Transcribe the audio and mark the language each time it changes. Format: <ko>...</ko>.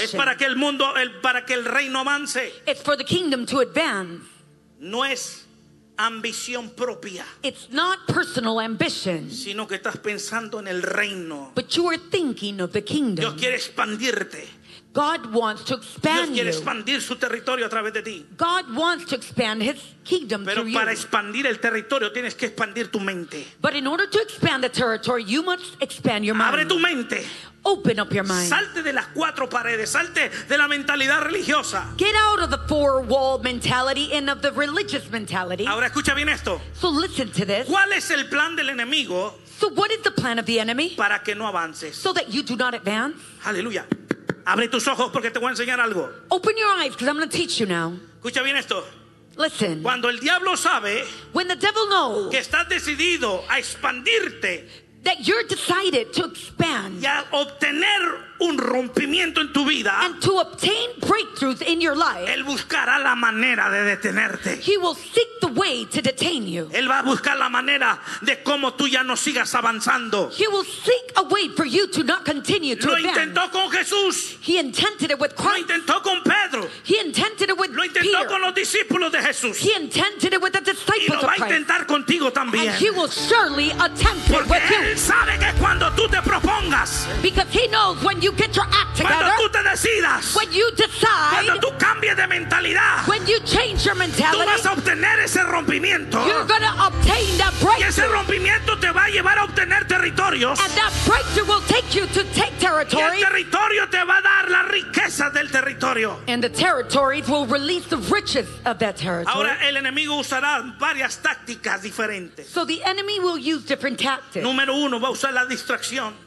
<es>Es para que el mundo, para que el reino avance.</es> <en>It's for the kingdom to advance.</en> <es>No es ambición propia.</es> <en>It's not personal ambition.</en> <es>Sino que estás pensando en el reino.</es> <en>But you are thinking of the kingdom.</en> <es>Dios quiere expandirte.</es> <en>God wants to expand</en> <es>Dios quiere</es> <en>you.</en> <es>Expandir su territorio a través de ti.</es> <en>God wants to expand his kingdom</en> <es>Pero</es> <en>through</en> <es>para Expandir el territorio tienes que expandir tu mente.</es> <en>But in order to expand the territory, you must expand your mind.</en> <es>Abre tu mente.</es> <en>Open up your mind.</en> <es>Salte de las cuatro paredes. Salte de la mentalidad religiosa.</es> <en>Get out of the four wall mentality and of the religious mentality.</en> <es>Ahora escucha bien esto.</es> <en>So listen to this.</en> <es>¿Cuál es el plan del enemigo?</es> <en>So what is the plan of the enemy?</en> <es>Para que no avances.</es> <en>So that you do not advance.</en> <es>Aleluya. Abre tus ojos porque te voy a enseñar algo.</es> <en>Open your eyes because I'm going to teach you now.</en> <es>Escucha bien esto.</es> <en>Listen.</en> <es>Cuando el diablo sabe.</es> <en>When the devil knows.</en> <es>Que estás decidido a expandirte.</es> <en>That you're decided to expand.</en> <es>Y a obtener un rompimiento en tu vida.</es> <en>And to obtain breakthroughs in your life.</en> <es>Él buscará la manera de detenerte.</es> <en>He will seek the way to detain you.</en> <es>Él va a buscar la manera de cómo tú ya no sigas avanzando.</es> <en>He will seek a way for you to not continue to advance.</en> <es>Lo intentó con Jesús.</es> <en>He intended it with Christ.</en> <es>Lo intentó con Pedro.</es> <en>He intended it with Peter.</en> <es>Lo intentó</es> <en>Peter.</en> <es>Con los discípulos de Jesús.</es> <en>He intended it with the disciples of</en> <es>Christ. Y lo va a intentar contigo también.</es> <en>And he will surely attempt</en> <es>Porque</es> <en>it with you.</en> <es>Él sabe que cuando tú te propongas.</es> <en>Because he knows when you get your act together.</en> <es>Cuando tú te decidas.</es> <en>When you decide.</en> <es>Cuando tú cambies de mentalidad.</es> <en>When you change your mentality.</en> <es>Tú vas a obtener ese rompimiento.</es> <en>You're going to obtain that breakthrough.</en> <es>Y ese rompimiento te va a llevar a obtener territorios.</es> <en>And that breakthrough will take you to take territory.</en> <es>Y el territorio te va a dar la riqueza del territorio.</es> <en>And the territories will release the riches of that territory.</en> <es>Ahora el enemigo usará varias tácticas diferentes.</es> <en>So the enemy will use different tactics.</en> <es>Número uno va a usar la distracción.</es>